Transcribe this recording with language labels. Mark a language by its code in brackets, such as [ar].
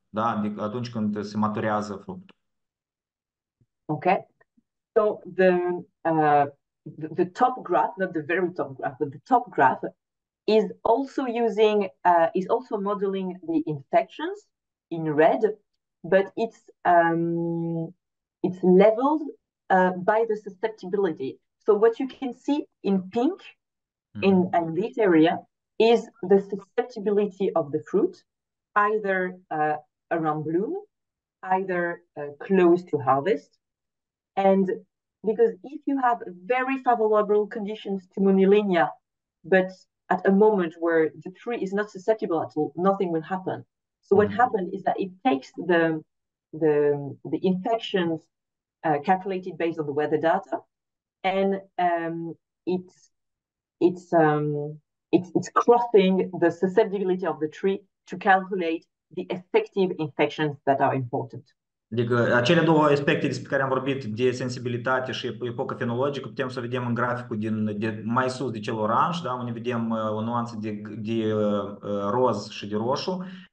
[ro] Da, atunci când se maturează fructul. [en] Okay. So the top graph, not the very top graph, but the top graph is also using is also modeling the infections in red, but it's leveled by the susceptibility. So what you can see in pink in this area is the susceptibility of the fruit either around bloom, either close to harvest. And because if you have very favorable conditions to monilia, but at a moment where the tree is not susceptible at all, nothing will happen. So what happened is that it takes the infections calculated based on the weather data, and it's crossing the susceptibility of the tree to calculate the effective infections that are important. [ro] Adică acele două aspecte despre care am vorbit, de sensibilitate și epocă fenologică, putem să vedem în graficul de mai sus de cel oranj, da? Unde vedem o nuanță de roz și de roșu.